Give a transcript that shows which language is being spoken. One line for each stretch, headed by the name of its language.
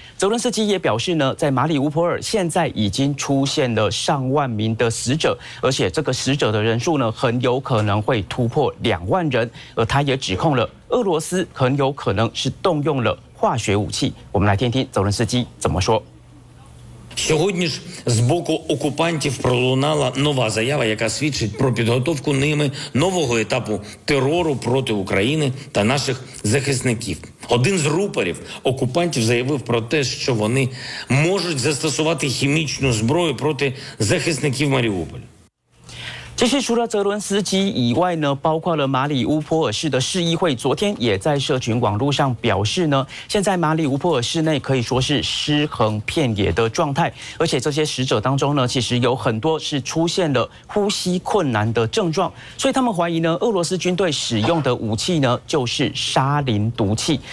Chinese: 泽伦斯基也表示呢，在马里乌波尔现在已经出现了上万名的死者，而且这个死者的人数呢，很有可能会突破20000人。而他也指控了俄罗斯很有可能是动用了化学武器。我们来听听泽伦斯基怎么说。
Ukrainian: Сьогодні ж з боку окупантів пролунала нова заява, яка свідчить про підготовку ними нового етапу терору проти України та наших захисників. Один з рупорів окупантів заявив про те, що вони можуть застосувати хімічну зброю проти захисників Маріуполя.
Chinese: 其实除了泽伦斯基以外呢，包括了马里乌波尔市的市议会昨天也在社群网络上表示呢，现在马里乌波尔市内可以说是尸横遍野的状态，而且这些死者当中呢，其实有很多是出现了呼吸困难的症状，所以他们怀疑呢，俄罗斯军队使用的武器呢就是沙林毒气。